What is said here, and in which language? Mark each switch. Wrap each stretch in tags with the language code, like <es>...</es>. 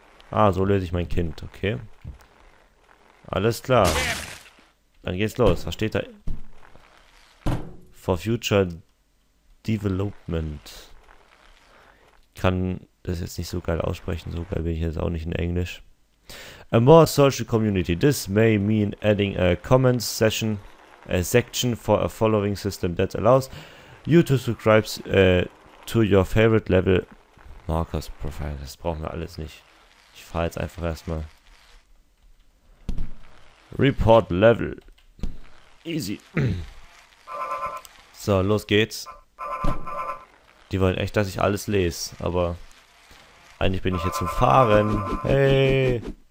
<de>So löse ich mein Kind. Okay. Alles klar. Dann geht's los. Was steht da?</de> <en>For Future Development.</en> <de>Ich kann das jetzt nicht so geil aussprechen. So geil bin ich jetzt auch nicht in Englisch.</de> <en>A more social community. This may mean adding a comments session. A section for a following system that allows you to subscribe to your favorite level markers profile.</en> <de>Das brauchen wir alles nicht. Ich fahre jetzt einfach erstmal.</de> <en>Report level. Easy.</en> <de>So, los geht's. Die wollen echt, dass ich alles lese. Aber eigentlich bin ich hier zum Fahren. Hey.</de>